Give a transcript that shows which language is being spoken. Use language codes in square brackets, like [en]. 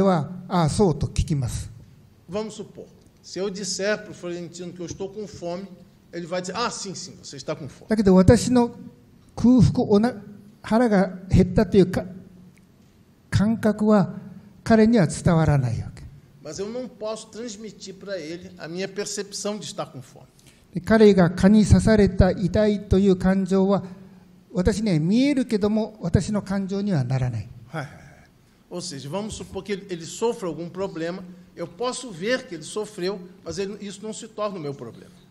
[ja] 私がお腹が減っているということを私がフロレンティーノに言ったら彼はああそうと聞きます。 [pt] Vamos supor, se eu disser para o Florentino que eu estou com fome, ele vai dizer, ah, sim, sim, você está com fome. [ja] だけど私の空腹、お腹、腹が減ったという感覚は彼には伝わらないわけ。 [pt] Mas eu não posso transmitir para ele a minha percepção de estar com fome. [ja] 彼が蚊に刺された痛いという感情は私には見えるけども私の感情にはならない。 [pt] Ou seja, vamos supor que ele sofre algum problema, eu posso ver que ele sofreu, mas isso não se torna o meu problema.